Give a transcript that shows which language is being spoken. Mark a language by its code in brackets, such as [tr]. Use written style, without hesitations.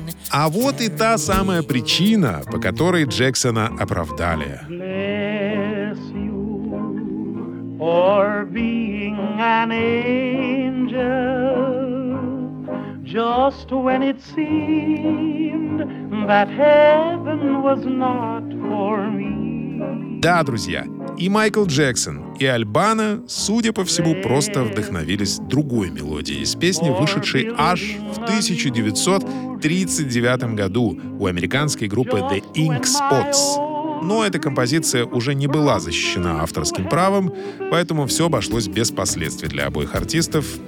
[ru] А вот и та самая причина, по которой Джексона оправдали. [en] Bless you for being an angel, just when it seemed that heaven was not for me. [ru] Да, друзья, и Майкл Джексон, и Альбано, судя по всему, просто вдохновились другой мелодией из песни, вышедшей аж в 1939 году у американской группы The Ink Spots. Но эта композиция уже не была защищена авторским правом, поэтому все обошлось без последствий для обоих артистов.